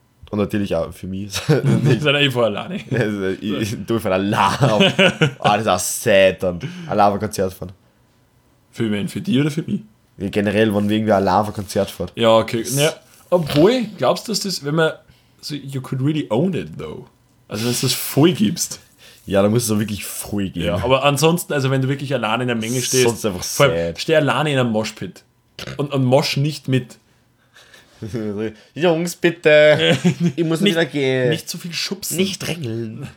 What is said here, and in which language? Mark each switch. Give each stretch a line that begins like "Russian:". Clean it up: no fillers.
German: Und natürlich auch für mich. Das ist ja eh vor alleine. Du bist alleine. Ah, das ist auch sad. Alleine ein Konzert fahren. Für wen? Für dich oder für mich? Ja, generell, wenn irgendwie alleine ein Konzert fährt. Ja, okay. Ja, obwohl, glaubst du, dass das, wenn man.
English: So, you could really own it though.
German: Also, wenn du das voll gibst. Ja, dann muss es auch wirklich voll gehen. Ja, aber ansonsten, also wenn du wirklich alleine in der Menge stehst. Sonst einfach sad. Vor allem, steh alleine in einem Moshpit. Und mosch nicht mit. Jungs, bitte, ich muss nicht, wieder gehen. Nicht zu viel schubsen. Nicht drängeln.